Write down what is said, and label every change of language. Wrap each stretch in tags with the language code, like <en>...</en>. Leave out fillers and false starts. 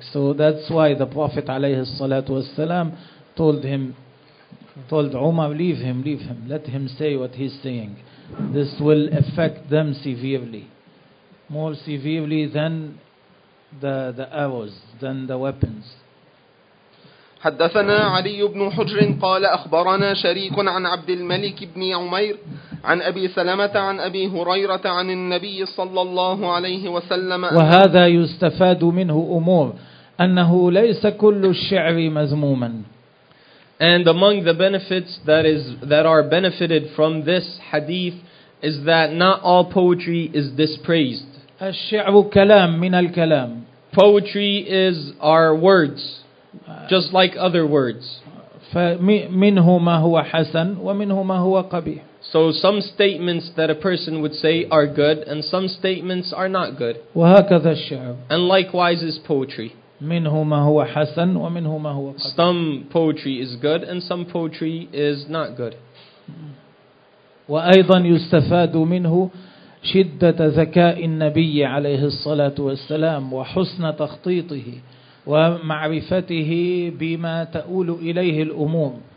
<en>So that's why the Prophet alayhi salatu wasalam told Umar, leave him, let him say what he's saying. This will affect them severely, more severely than the arrows, than the weapons.</en> <ar>حدثنا علي بن حجر قال أخبرنا شريك عن عبد الملك بن عمير عن أبي سلمة عن أبي هريرة عن النبي صلى الله عليه وسلم. وهذا يستفاد منه أمور أنه ليس كل الشعر مذموما.</ar> <en>And among the benefits that are benefited from this hadith is that not all poetry is dispraised.</en> <ar>الشعر كلام من الكلام.</ar> <en>Poetry is our words, just like other words.</en> <ar>فمنه ما هو حسن ومنه ما هو قبيح.</ar> <en>So some statements that a person would say are good and some statements are not good.</en> <ar>وهكذا الشعر.</ar> <en>And likewise is poetry.</en> <ar>منه ما هو حسن ومنه ما هو قبيح.</ar> <en>Some poetry is good and some poetry is not good.</en> <ar>وأيضا يستفاد منه شدة ذكاء النبي عليه الصلاة والسلام وحسن تخطيطه ومعرفته بما تؤول إليه الأمور.</ar>